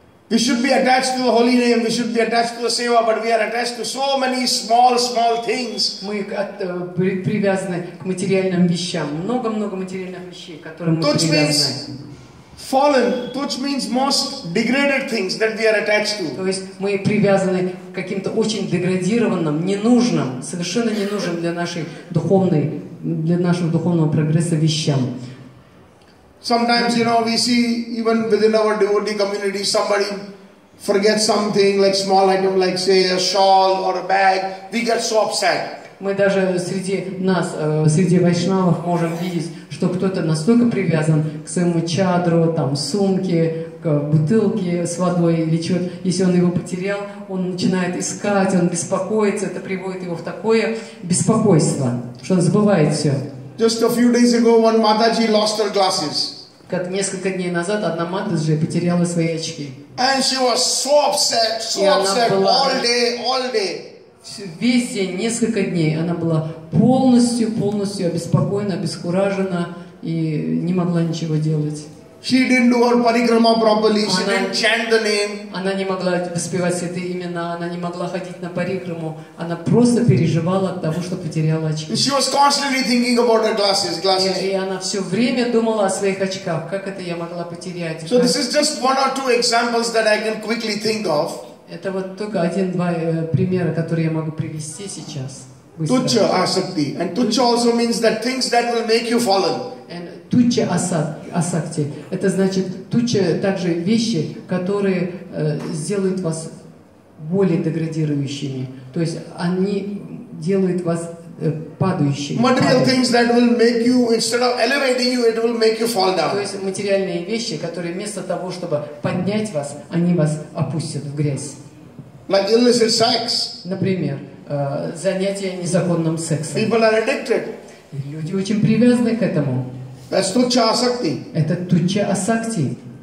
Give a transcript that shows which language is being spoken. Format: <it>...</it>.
<en>We should be attached to the holy name, we should be attached to the seva, but we are attached to so many small, small things.</en> <ru>Мы привязаны к материальным вещам, много-много материальных вещей, которым мы привязаны.</ru> <en>Tuch means fallen, tuch means most degraded things that we are attached to.</en> <ru>То есть мы привязаны к каким-то очень деградированным, ненужным, совершенно ненужным для нашей духовной, для нашего духовного прогресса вещам.</ru> <en>Sometimes, you know, we see even within our devotee community, somebody forgets something, like small item, like say a shawl or a bag, we get so upset.</en> <ru>Мы даже среди нас, среди вайшнавов, можем видеть, что кто-то настолько привязан к своему чадру, там, сумке, к бутылке с водой или чего-то. Если он его потерял, он начинает искать, он беспокоится, это приводит его в такое беспокойство, что он забывает все.</ru> <en>Just a few days ago, one Mataji lost her glasses.</en> <ru>Как несколько дней назад одна Матаджи потеряла свои очки.</ru> <en>And she was so upset, all day.</en> <ru>Весь день, несколько дней, она была полностью обеспокоена, обескуражена и не могла ничего делать.</ru> <en>She didn't do her parikrama properly. She didn't chant the name.</en> <ru>Она не могла воспевать эти имена, она не могла ходить на парикраму. Она просто переживала от того, что потеряла очки.</ru> <en>She was constantly thinking about her glasses.</en> <ru>И она все время думала о своих очках, как это я могла потерять.</ru> <en>So this is just one or two examples that I can quickly think of.</en> <ru>Это вот только один-два примера, которые я могу привести сейчас.</ru> <sa>Tuccha asakti.</sa> <en>And tuccha also means that things that will make you fallen. And tuccha asakti.</en> <ru>Это значит tuccha также вещи, которые сделают вас более деградирующими. То есть они делают вас падающими.</ru> <en>Material things that will make you, instead of elevating you, it will make you fall down.</en> <ru>То есть материальные вещи, которые вместо того, чтобы поднять вас, они вас опустят в грязь.</ru> <en>Like illicit sex.</en> <ru>Например, занятия незаконным сексом.</ru> <en>People are addicted.</en> <ru>Люди очень привязаны к этому.</ru> <en>That's tuccha asakti.</en> <ru>Это tuccha asakti.</ru>